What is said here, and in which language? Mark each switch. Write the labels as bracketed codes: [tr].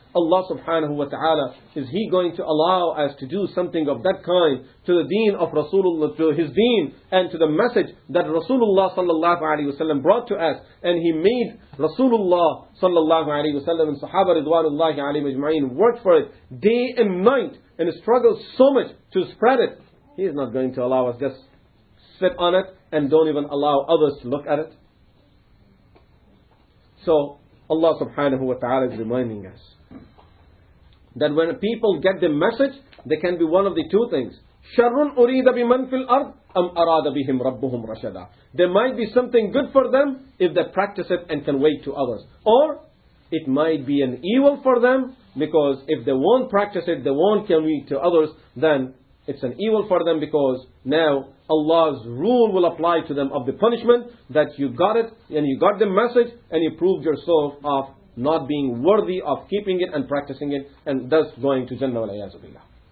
[en] Allah [ar] subhanahu wa ta'ala, [en] is He going to allow us to do something of that kind to the deen of Rasulullah, to His deen, and to the message that Rasulullah [ar] sallallahu alayhi wa sallam [en] brought to us, and He made Rasulullah sallallahu alayhi wa sallam and Sahaba [ar] ridwanullahi alayhi majma'in [en] work for it day and night, and struggle so much to spread it. He is not going to allow us just sit on it, and don't even allow others to look at it. So, Allah subhanahu wa ta'ala is reminding us that when people get the message, they can be one of the two things. [ar] شَرٌ أُرِيدَ بِمَنْ فِي الْأَرْضِ أَمْ أَرَادَ بِهِمْ رَبُّهُمْ رَشَدًا. [en] There might be something good for them if they practice it and convey it to others. Or it might be an evil for them, because if they won't practice it, they won't convey it to others, then it's an evil for them, because now Allah's rule will apply to them of the punishment, that you got it and you got the message and you proved yourself of not being worthy of keeping it and practicing it, and thus going to Jannah [ar] wal a'yaz billah.